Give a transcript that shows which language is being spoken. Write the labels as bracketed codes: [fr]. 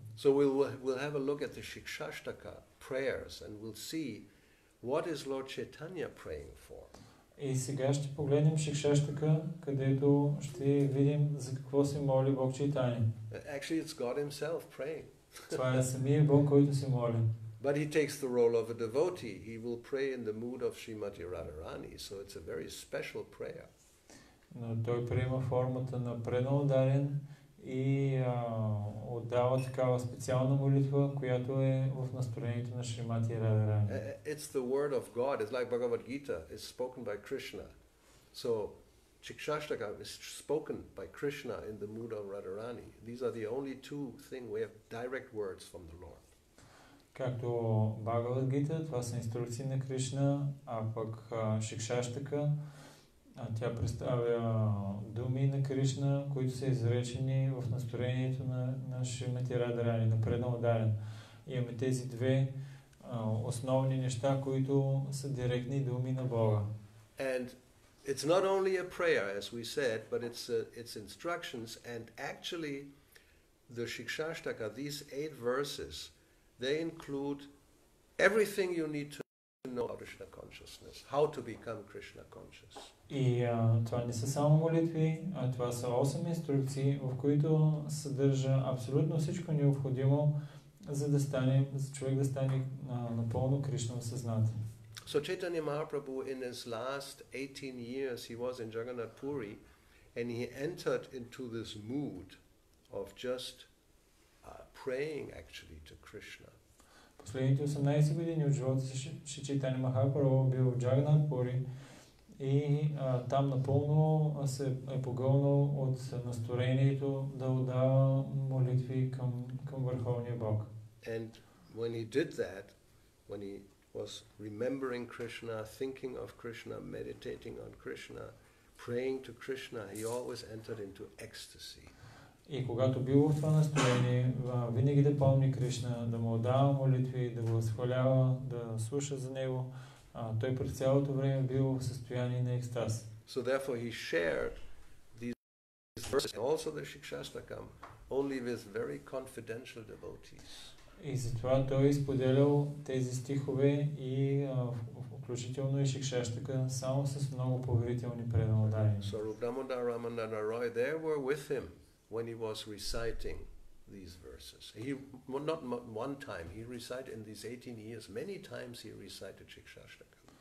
[en] So we'll have a look at the Shikshashtaka prayers and we'll see what is Lord Chaitanya praying for. [bg] И сега ще погледнем Шикшаштака, където ще видим за какво се моли Бог Чайтани. [en] Actually, it's God himself praying. [bg] Това е самия Бог, който се моли. [en] But he takes the role of a devotee. He will pray in the mood of Srimati Radharani, so it's a very special prayer. [bg] Но той приема формата на преднаударен и отдава такава специална молитва, която е в настроението на Шримати Радхарани. [en] It's the word of God. It's like Bhagavad Gita. It's spoken by Krishna. So, Shikshashtaka is spoken by Krishna in the mood of Radharani. These are the only two things we have direct words from the Lord. [bg] Както Bhagavad Gita, това са инструкции на Кришна, а пък Шикшаштака, тя представя думи на Кришна, които са изречени в настроението на Шримати Радхарани, на преднаударен. Имаме тези две основни неща, които са директни думи на Бога. [en] And it's not only a prayer, as we said, but it's instructions, and actually the Shikshashtaka, these eight verses, they include everything you need to know about Krishna consciousness, how to become Krishna conscious. [bg] И това не са само молитви, а това са 8 инструкции, в които съдържа абсолютно всичко необходимо, за да стане, за човек да стане напълно Кришна осъзнатен. [en] So Chaitanya Mahaprabhu in his last 18 years he was in Jagannath Puri and he entered into this mood of just praying actually to Krishna. [bg] Последните 18 години от живота си Чайтанья Махапрабху бил в Джагнат Пури и там напълно се е погълнал от настроението да отдава молитви към Върховния Бог. [en] And when he did that, when he was remembering Krishna, thinking of Krishna, meditating on Krishna, praying to Krishna, he always entered into ecstasy. [bg] И когато бил в това настроение, винаги да помни Кришна, да му отдава молитви, да го възхвалява, да слуша за него, той през цялото време бил в състояние на екстаз. [en] So therefore he shared these verses and also the Shikshashtakam only with very confidential devotees. [bg] И затова той споделял тези стихове и включително и Шикшаштака само с много поверителни преднаударени. [en] So Рупдамодар Рамананда Рой, they were with him when he was reciting these verses. He not one time, he recited in these 18 years, many times he recited Shikshashtaka.